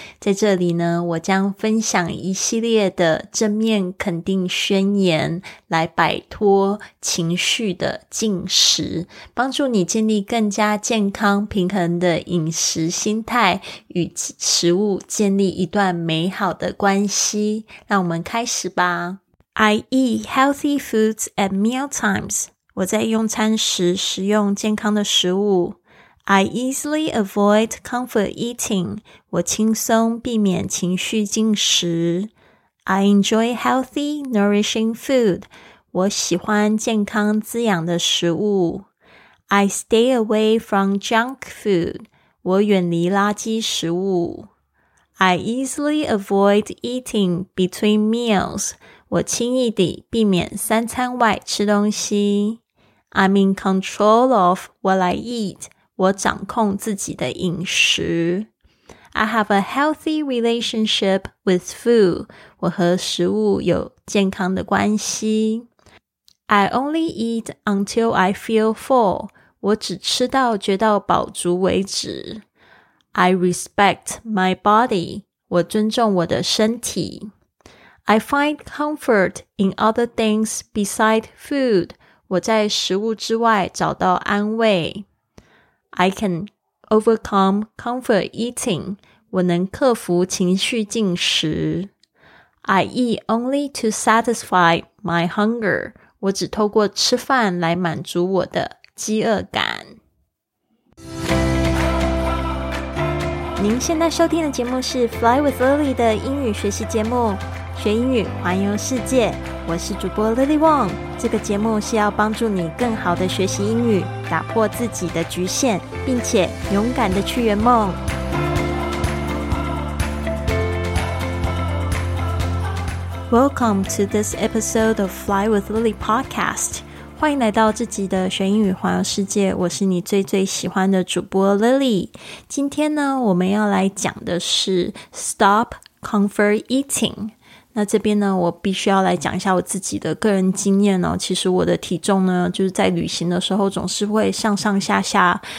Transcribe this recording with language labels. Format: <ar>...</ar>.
<zh>在这里呢，我将分享一系列的正面肯定宣言，来摆脱情绪的进食，帮助你建立更加健康平衡的饮食心态与食物建立一段美好的关系。让我们开始吧。</zh> <en>I eat healthy foods at meal times.</en> <zh>我在用餐时食用健康的食物。</zh> <en>I easily avoid comfort eating.</en> <zh>我轻松避免情绪进食。</zh> <en>I enjoy healthy, nourishing food.</en> <zh>我喜欢健康滋养的食物。</zh> <en>I stay away from junk food.</en> <zh>我远离垃圾食物。</zh> <en>I easily avoid eating between meals.</en> <zh>我轻易地避免三餐外吃东西。</zh> <en>I'm in control of what I eat.</en> <zh>我掌控自己的饮食。</zh> <en>I have a healthy relationship with food.</en> <zh>我和食物有健康的关系。</zh> <en>I only eat until I feel full.</en> <zh>我只吃到觉得饱足为止。</zh> <en>I respect my body.</en> <zh>我尊重我的身体。</zh> <en>I find comfort in other things besides food.</en> <zh>我在食物之外找到安慰。</zh> <en>I can overcome comfort eating.</en> <zh>我能克服情绪进食。</zh> <en>I eat only to satisfy my hunger.</en> <zh>我只透过吃饭来满足我的饥饿感。您现在收听的节目是 Fly with Lily 的英语学习节目，学英语环游世界。我是主播 Lily Wong。这个节目是要帮助你更好的学习英语，打破自己的局限，并且勇敢的去圆梦。</zh> <en>Welcome to this episode of Fly with Lily podcast.</en> <zh>欢迎来到这集的学英语环游世界，我是你最最喜欢的主播 Lily。今天呢，我们要来讲的是 Stop Comfort Eating。那这边呢，我必须要来讲一下我自己的个人经验哦。其实我的体重呢，就是在旅行的时候总是会上上下下。</zh>